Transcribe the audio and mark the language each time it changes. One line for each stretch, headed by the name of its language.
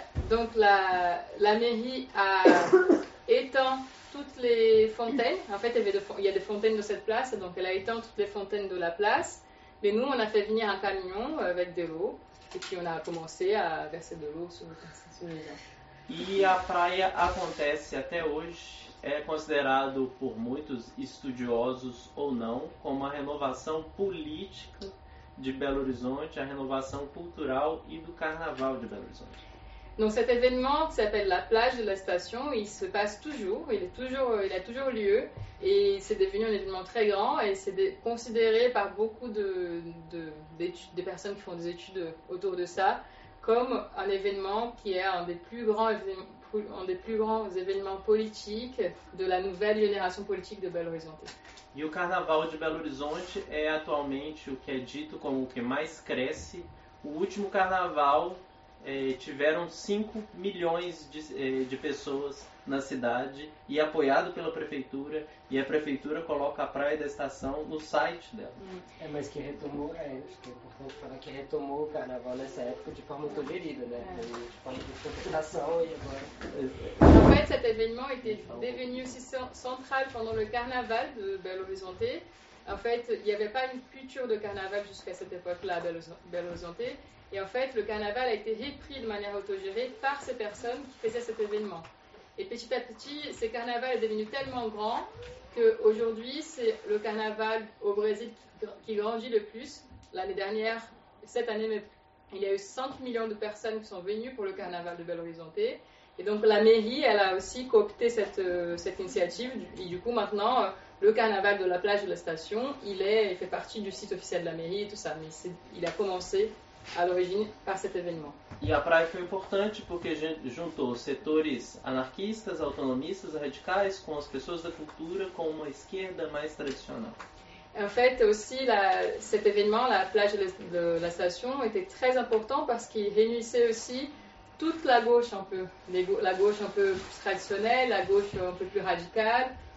French: Donc la mairie a éteint toutes les fontaines. En fait, il y a des fontaines de cette place, donc elle a éteint toutes les fontaines de la place. Mais nous, on a fait venir un camion avec de l'eau. E que on a commencé à verser de l'eau sur le passage.
Portuguese: E a praia acontece até hoje, é considerado por muitos estudiosos ou não, como a renovação política de Belo Horizonte, a renovação cultural e do carnaval de Belo Horizonte.
French: Donc cet événement qui s'appelle la plage de la station, il se passe toujours, il a toujours lieu, et c'est devenu un événement très grand, et c'est considéré par beaucoup de personnes qui font des études autour de ça, comme un événement qui est un des plus grands événements politiques de la nouvelle génération politique de Belo Horizonte.
Portuguese: E o carnaval de Belo Horizonte é atualmente o que é dito como o que mais cresce, o último carnaval tiveram 5 milhões de pessoas na cidade e apoiado pela prefeitura, e a prefeitura coloca a Praia da Estação no site dela. Mas que retomou, acho que é importante falar que retomou o carnaval nessa época de forma muito gerida, né? De forma de contestação e agora...
French: Em fait, cet événement était devenu aussi central pendant le carnaval de Belo Horizonte. En fait, il n'y avait pas une culture de carnaval jusqu'à cette époque-là, Belo Horizonte. Et en fait, le carnaval a été repris de manière autogérée par ces personnes qui faisaient cet événement. Et petit à petit, ce carnaval est devenu tellement grand qu'aujourd'hui, c'est le carnaval au Brésil qui grandit le plus. L'année dernière, cette année, il y a eu 5 millions de personnes qui sont venues pour le carnaval de Belo Horizonte. Et donc, la mairie, elle a aussi coopté cette initiative. Et du coup, maintenant... Le carnaval de la plage de la station, il fait partie du site officiel de la mairie et tout ça, mais il a commencé à l'origine par cet événement.
Portuguese: E a praia foi importante porque juntou setores anarquistas, autonomistas, radicais com as pessoas da cultura, com uma esquerda mais tradicional.
French: En fait, aussi cet événement, la plage de la station, était très important parce qu'il réunissait aussi toute la gauche un peu, la gauche un peu plus traditionnelle, la gauche un peu plus radicale.